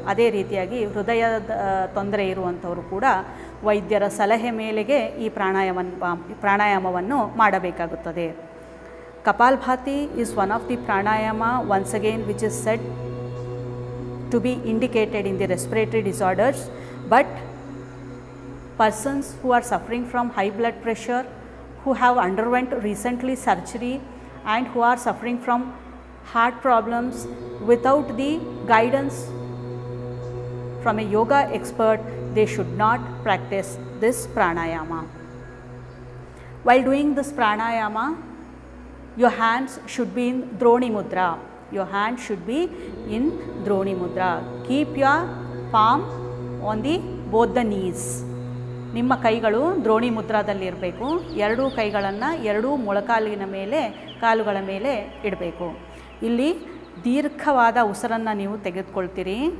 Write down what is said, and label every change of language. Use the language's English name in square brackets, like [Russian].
[Kannada] ಅದೇ ರೀತಿಯಾಗಿ ಹೃದಯದ ತೊಂದರೆ ಇರುವಂಥವರು ಕೂಡ ವೈದ್ಯರ ಸಲಹೆ ಮೇಲೆಗೆ ಈ ಪ್ರಾಣಾಯಾಮವನ್ನು ಮಾಡಬೇಕಾಗುತ್ತದೆ. [English] Kapalbhati is one of the pranayama ones again which is set to be indicated in the respiratory disorders. But persons who are suffering from high blood pressure, who have underwent recently surgery and who are suffering from heart problems without the guidance from a yoga expert, they should not practice this pranayama. While doing this pranayama, your hands should be in droni mudra. Your hand should be in droni mudra. Keep your palm on the both the knees. [Kannada] ನಿಮ್ಮ ಕೈಗಳು ದ್ರೋಣಿ ಮುದ್ರಾದಲ್ಲಿರಬೇಕು. ಎರಡೂ ಕೈಗಳನ್ನು ಎರಡೂ ಮೊಳಕಾಲಿನ ಮೇಲೆ ಕಾಲುಗಳ ಮೇಲೆ ಇಡಬೇಕು. ಇಲ್ಲಿ ದೀರ್ಘವಾದ ಉಸಿರನ್ನು ನೀವು ತೆಗೆದುಕೊಳ್ತೀರಿ.